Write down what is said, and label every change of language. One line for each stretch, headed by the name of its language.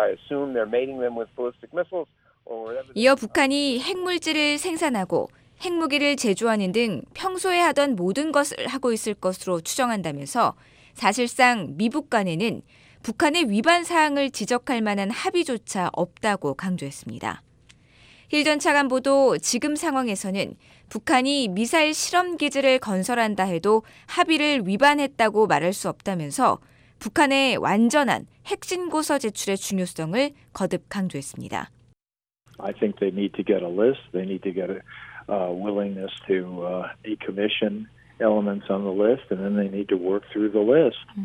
English: I assume they're mating them with ballistic missiles or whatever.
Korean: 이어 북한이 핵물질을 생산하고 핵무기를 제조하는 등 평소에 하던 모든 것을 하고 있을 것으로 추정한다면서 사실상 미북 간에는 북한의 위반 사항을 지적할 만한 합의조차 없다고 강조했습니다. 힐 전 차관보도 지금 상황에서는 북한이 미사일 실험 기지를 건설한다 해도 합의를 위반했다고 말할 수 없다면서 북한의 완전한 핵신고서 제출의 중요성을 거듭 강조했습니다.
English: I think they need to get a list. They need to get a willingness to decommission elements on the list, and then they need to work through the list.